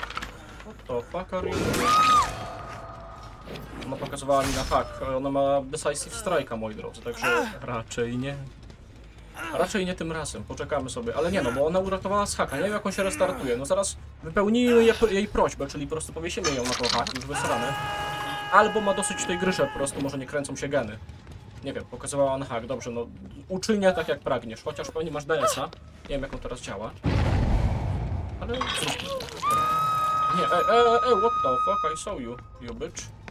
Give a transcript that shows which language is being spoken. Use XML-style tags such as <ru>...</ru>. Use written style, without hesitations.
<en>What the fuck are you doing?</en> <pl>Ona pokazywała mi na hak. Ona ma decisive strike'a, moi drodzy, także raczej nie. Raczej nie tym razem, poczekamy sobie. Ale nie, no bo ona uratowała z haka, nie wiem jak on się restartuje. No zaraz wypełnijmy jej prośbę, czyli po prostu powiesimy ją na to hak, już wysrane. Albo ma dosyć tej gry, że po prostu może nie kręcą się geny. Nie wiem, pokazywała na hak, dobrze, no uczynię tak jak pragniesz, chociaż pewnie masz DS-a. Nie wiem jak on teraz działa. Ale... Nie,</pl> <en>what the fuck, I saw you, you bitch.</en>